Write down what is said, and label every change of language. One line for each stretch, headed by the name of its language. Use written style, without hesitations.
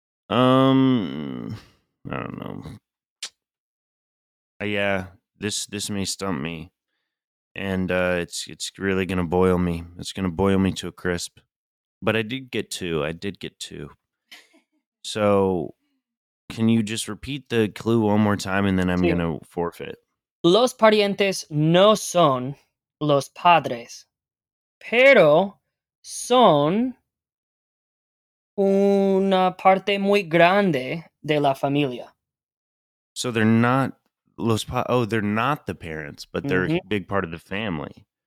English: I don't know. Yeah, this may stump me. And it's really going to boil me. It's going to boil me to a crisp. But I did get two. So can you just repeat the clue one more time and then I'm going to forfeit?
Spanish: Los parientes no son los padres, pero son una parte muy grande de la familia.
English: So they're not los pa- oh, they're not the parents, but they're a big part of the family.